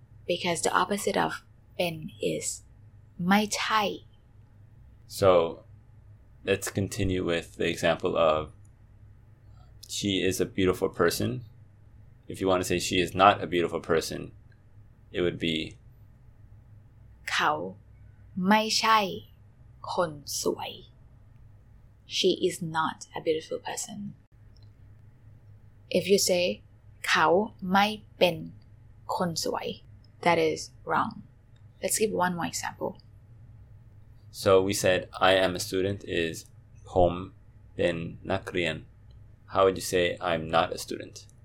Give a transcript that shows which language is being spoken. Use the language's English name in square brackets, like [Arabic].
[English] Because the opposite of เป็น is ไม่ใช่. So, let's continue with the example of she is a beautiful person. If you want to say she is not a beautiful person, it would be [Thai] เขาไม่ใช่คนสวย. [English] She is not a beautiful person. If you say [Thai] เขาไม่เป็นคนสวย, [English] that is wrong. Let's give one more example. So we said I am a student is [Thai] ผมเป็นนักเรียน. [English] How would you say I'm not a student?